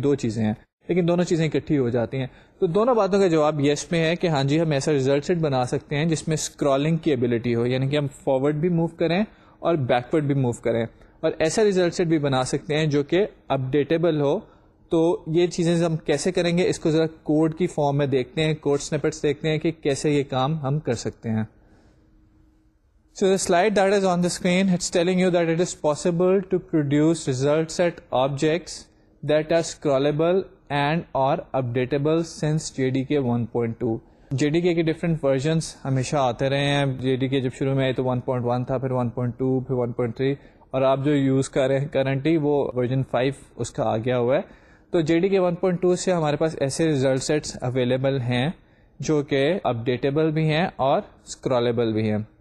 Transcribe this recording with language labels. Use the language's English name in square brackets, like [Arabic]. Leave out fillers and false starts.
[Urdu] یہ دو چیزیں ہیں لیکن دونوں چیزیں اکٹھی ہو جاتی ہیں. تو دونوں باتوں کا جواب یس میں ہے کہ ہاں جی, ہم ایسا ریزلٹ سیٹ بنا سکتے ہیں جس میں اسکرالنگ کی ایبلٹی ہو, یعنی کہ ہم فارورڈ بھی موو کریں اور بیکورڈ بھی موو کریں, اور ایسا ریزلٹ سیٹ بھی بنا سکتے ہیں جو کہ اپ ڈیٹیبل ہو. تو یہ چیزیں ہم کیسے کریں گے اس کو ذرا کوڈ کی فارم میں دیکھتے ہیں, کوڈ سنیپٹس دیکھتے ہیں کہ کیسے یہ کام ہم کر سکتے ہیں. [English] So the slide that is on the screen, it's telling you that it is possible to produce result set objects that are scrollable and or updatable since JDK 1.2. [Urdu] JDK کے different versions ہمیشہ آتے رہے ہیں. JDK جب شروع میں آئے تو 1.1 تھا, پھر 1.2, پھر 1.3, اور آپ جو یوز کر رہے ہیں کرنٹلی وہ ورژن 5 اس کا آ گیا ہوا ہے. تو JDK 1.2 سے ہمارے پاس ایسے result sets available ہیں جو کہ updatable بھی ہیں اور scrollable بھی ہیں.